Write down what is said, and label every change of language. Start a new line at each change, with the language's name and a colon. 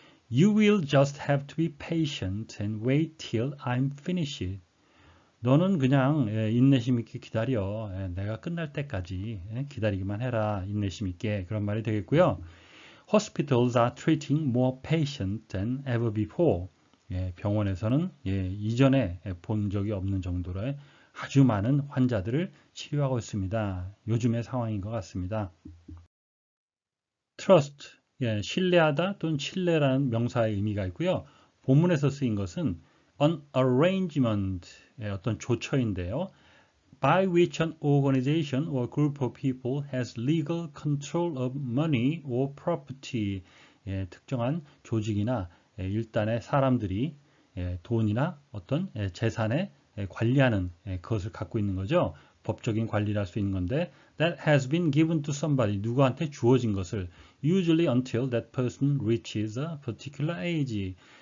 English: You will just have to be patient and wait till I'm finished.
Korean: 너는 그냥 인내심 있게 기다려. 내가 끝날 때까지 기다리기만 해라. 인내심 있게. 그런 말이 되겠고요.
English: Hospitals are treating more patients than ever before.
Korean: 병원에서는 이전에 본 적이 없는 정도로 아주 많은 환자들을 치료하고 있습니다. 요즘의 상황인 것 같습니다. Trust, 신뢰하다 또는 신뢰라는 명사의 의미가 있고요. 본문에서 쓰인 것은
English: an arrangement.
Korean: 어떤 조처인데요.
English: By which an organization or group of people has legal control of money or property.
Korean: 특정한 조직이나 일단의 사람들이 돈이나 어떤 재산에 관리하는 그것을 갖고 있는 거죠. 법적인 관리를 할수 있는 건데,
English: that has been given to somebody,
Korean: 누구한테 주어진 것을,
English: usually until that person reaches a particular age.